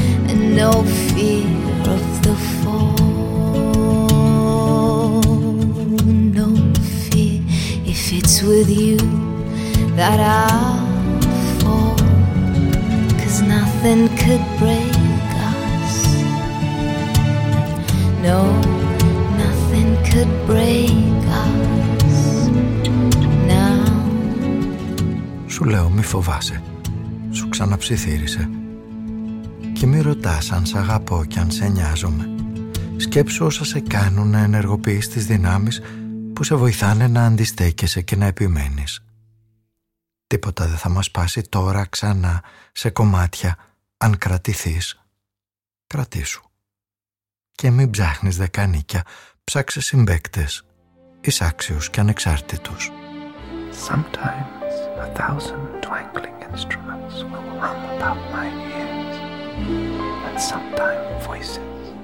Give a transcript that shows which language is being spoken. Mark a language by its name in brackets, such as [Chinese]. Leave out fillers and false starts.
[English] And no fear of the fall, no fear if it's with you that I. Nothing could break us. No, nothing could break us now. [Greek] Σου λέω μη φοβάσαι. Σου ξαναψιθύρισε. Και μη ρωτάς αν σ' αγαπώ και αν σε νοιάζομαι. σκέψου όσα σε κάνουν να ενεργοποιείς τις δυνάμεις που σε βοηθάνε να αντιστέκεσαι και να επιμένεις. Τίποτα δεν θα μας πάσει τώρα ξανά σε κομμάτια αν κρατηθείς. Κρατήσου. Και μην ψάχνεις δεκανίκια, ψάξε συμπαίκτες, είσαι άξιος και ανεξάρτητος. [English] Sometimes a thousand twangling instruments will hum about my ears, and sometimes voices.